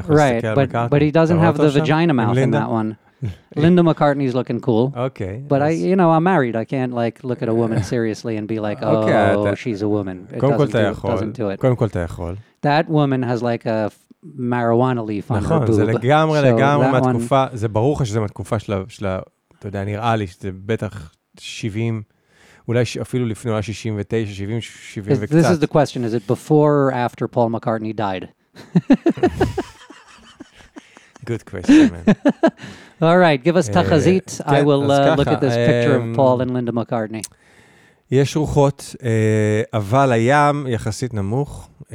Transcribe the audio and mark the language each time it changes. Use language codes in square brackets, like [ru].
[en] Right, but he doesn't have the vagina mouth in that one. Linda McCartney's looking cool. Okay. But I, you know, I'm married. I can't, like, look at a woman seriously and be like, oh, okay, she's a woman. It doesn't do it. That woman has, like, a marijuana leaf on her boob. [he] זה לגמרי, מהתקופה, זה ברור שזה מהתקופה של, אתה יודע, נראה לי שזה בטח 70... אולי אפילו לפני 69, 70, 70 וקצת. [en] This is the question, is it before or after Paul McCartney died? Good question, man. All right, give us [he] תחזית. [en] I will look at this picture of Paul and Linda McCartney. [he] יש רוחות, אבל הים יחסית נמוך.